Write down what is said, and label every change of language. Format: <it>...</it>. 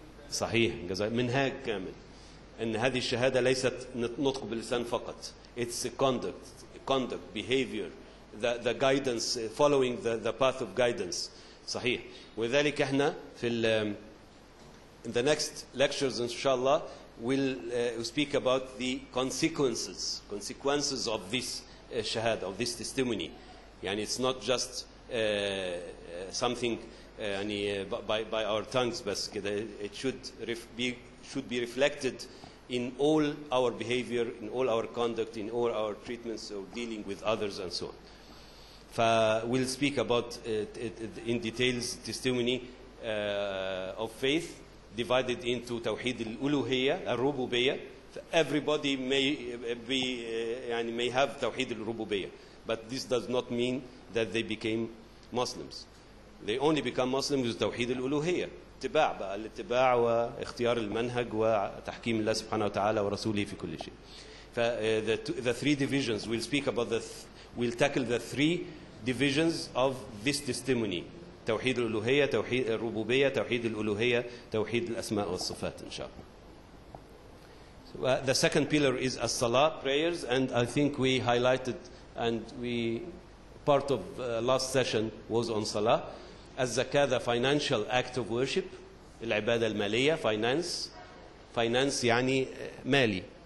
<ar>صحيح منهاج كامل ان هذه الشهاده ليست نطق باللسان فقط.</ar> <en>It's a conduct behavior, the guidance, following the path of guidance.</en> <ar>صحيح. وذلك احنا في</ar> <en>in the next lectures inshallah we'll speak about the consequences of this shahada, of this testimony. يعني it's not just something يعني by our tongues,</en> <ar>بس كده.</ar> <en>It should be reflected in all our behavior, in all our conduct, in all our treatments or dealing with others and so on. We'll speak about it in details, testimony of faith divided into توحيد الألوهية, الربوبية. Everybody may have توحيد الربوبية, but this does not mean that they became Muslims. They only become Muslim with توحيد الألوهية.</en> <ar>اتباع بقى, الاتباع واختيار المنهج وتحكيم الله سبحانه وتعالى ورسوله في كل شيء.</ar> <en>The three divisions, we'll speak about we'll tackle the three divisions of this testimony.</en> <ar>توحيد الألوهية, توحيد الربوبية, توحيد الألوهية, توحيد الأسماء والصفات إن شاء الله.</ar> <en>The second pillar is الصلاة, prayers, and I think we highlighted and we part of last session was on Salah. الزكاه, the financial act of worship,</en> <ar>العبادة المالية,</ar> <en>finance يعني مالي.</en>